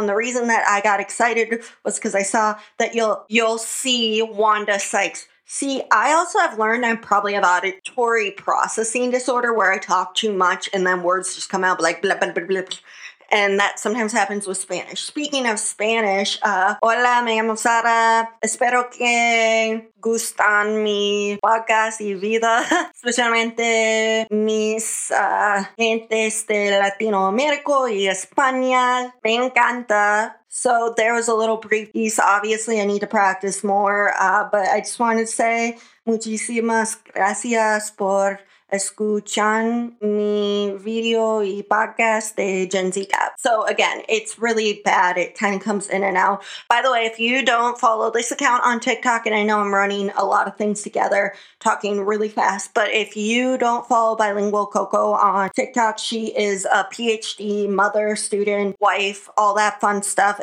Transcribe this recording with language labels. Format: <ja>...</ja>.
<en>And the reason that I got excited was because I saw that you'll see Wanda Sykes. See, I also have learned I probably have auditory processing disorder where I talk too much and then words just come out like blah, blah, blah, blah, blah. And that sometimes happens with Spanish. Speaking of Spanish,</en> <es>hola, me llamo Sara. Espero que gustan mi podcast y vida. Especialmente mis gentes de Latinoamérica y España. Me encanta.</es> <en>So there was a little brief piece. Obviously, I need to practice more. But I just wanted to say</en> <es>muchísimas gracias por escuchan mi video y podcast de Gen Z Gab.</es> <en>So again, it's really bad. It kind of comes in and out. By the way, if you don't follow this account on TikTok, and I know I'm running a lot of things together, talking really fast, but if you don't follow Bilingual Coco on TikTok, she is a PhD, mother, student, wife, all that fun stuff.</en>